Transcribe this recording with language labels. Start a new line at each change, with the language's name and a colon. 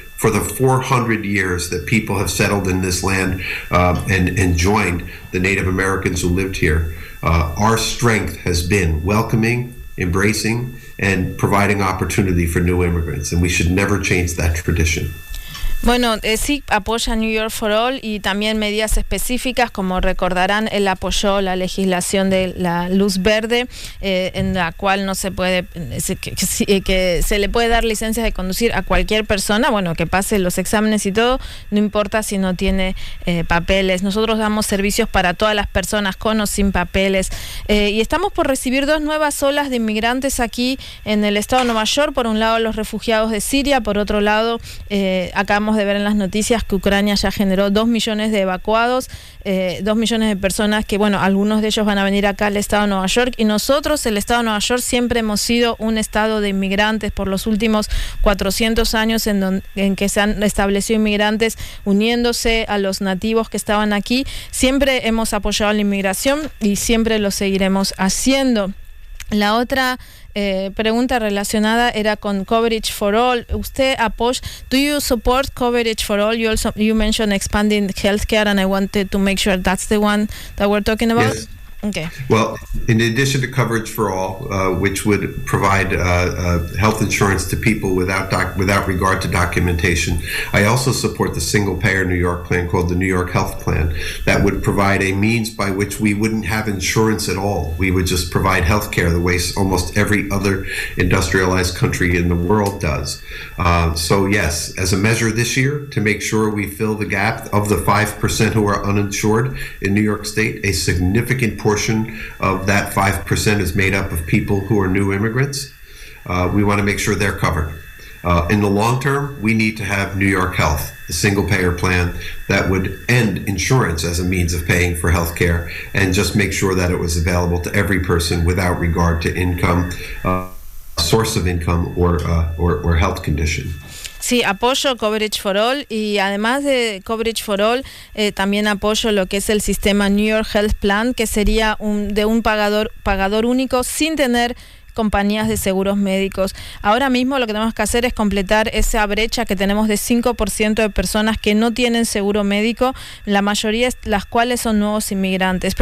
English: For the 400 years that people have settled in this land and joined the Native Americans who lived here, our strength has been welcoming, embracing, and providing opportunity for new immigrants. And we should never change that tradition.
Spanish: Bueno, sí, apoya New York for All y también medidas específicas, como recordarán, él apoyó la legislación de la luz verde, en la cual no se puede, que se le puede dar licencias de conducir a cualquier persona, bueno, que pase los exámenes y todo, no importa si no tiene papeles. Nosotros damos servicios para todas las personas, con o sin papeles. Y estamos por recibir dos nuevas olas de inmigrantes aquí en el estado de Nueva York. Por un lado, los refugiados de Siria, por otro lado, acabamos de ver en las noticias que Ucrania ya generó 2 millones de evacuados, 2 millones de personas que, bueno, algunos de ellos van a venir acá al estado de Nueva York. Y nosotros, el estado de Nueva York, siempre hemos sido un estado de inmigrantes por los últimos 400 años en que se han establecido inmigrantes uniéndose a los nativos que estaban aquí. Siempre hemos apoyado a la inmigración y siempre lo seguiremos haciendo. La otra pregunta relacionada era con Coverage for All. Usted apoya,
English: do you support Coverage for All? You also, you mentioned expanding healthcare, and I wanted to make sure that's the one that we're talking about. Yes. Okay. Well, in addition to Coverage for All, which would provide health insurance to people without regard to documentation, I also support the single-payer New York plan called the New York Health Plan that would provide a means by which we wouldn't have insurance at all. We would just provide health care the way almost every other industrialized country in the world does. So yes, as a measure this year, to make sure we fill the gap of the 5% who are uninsured in New York State, a significant portion of that 5% is made up of people who are new immigrants. We want to make sure they're covered. In the long term, we need to have New York Health, the single payer plan that would end insurance as a means of paying for health care and just make sure that it was available to every person without regard to income, source of income, or health condition.
Spanish: Sí, apoyo Coverage for All, y además de Coverage for All, también apoyo lo que es el sistema New York Health Plan, que sería un pagador único sin tener compañías de seguros médicos. Ahora mismo lo que tenemos que hacer es completar esa brecha que tenemos de 5% de personas que no tienen seguro médico, la mayoría de las cuales son nuevos inmigrantes.